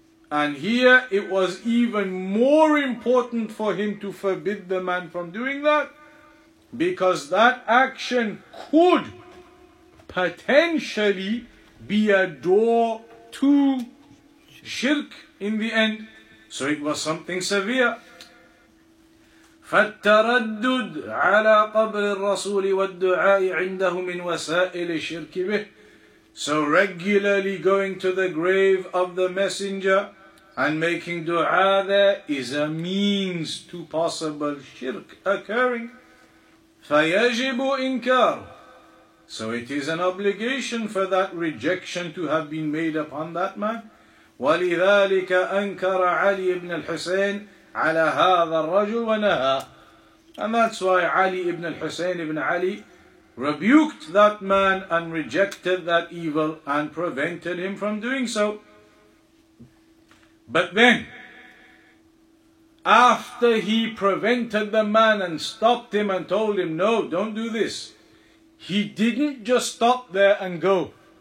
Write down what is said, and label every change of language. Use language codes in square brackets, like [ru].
[en] And here it was even more important for him to forbid the man from doing that, because that action could potentially be a door to shirk in the end. So it was something severe. [ar] فالتردد على قبر الرسول والدعاء عنده من وسائل الشرك به. [en] So regularly going to the grave of the messenger and making dua there is a means to possible shirk occurring. [ar] فيجب إنكار. [en] So it is an obligation for that rejection to have been made upon that man. [ar] ولذلك أنكر علي بن الحسين على هذا الرجل ونهى. [en] And that's why Ali ibn al-Husayn ibn Ali rebuked that man and rejected that evil and prevented him from doing so. But then, after he prevented the man and stopped him and told him, no, don't do this, he didn't just stop there and go.